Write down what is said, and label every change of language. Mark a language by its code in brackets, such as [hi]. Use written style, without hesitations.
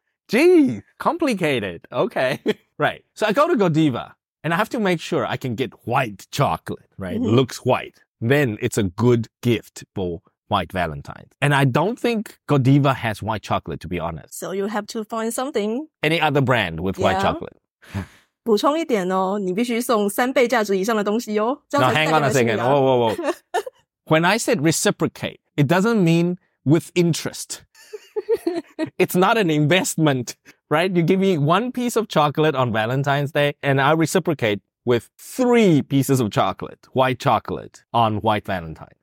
[en] Jeez, complicated. Okay. Right. So I go to Godiva and I have to make sure I can get white chocolate, right? Mm-hmm. Looks white. Then it's a good gift for white Valentine's. And I don't think Godiva has white chocolate, to be honest. So you have to find something. Any other brand with white chocolate. [zh] 补充一点哦，你必须送三倍价值以上的东西哦。 [en] Now hang on a second. Whoa. When I said reciprocate, it doesn't mean with interest. It's not an investment, right? You give me one piece of chocolate on Valentine's Day, and I reciprocate with three pieces of chocolate, white chocolate, on white Valentine.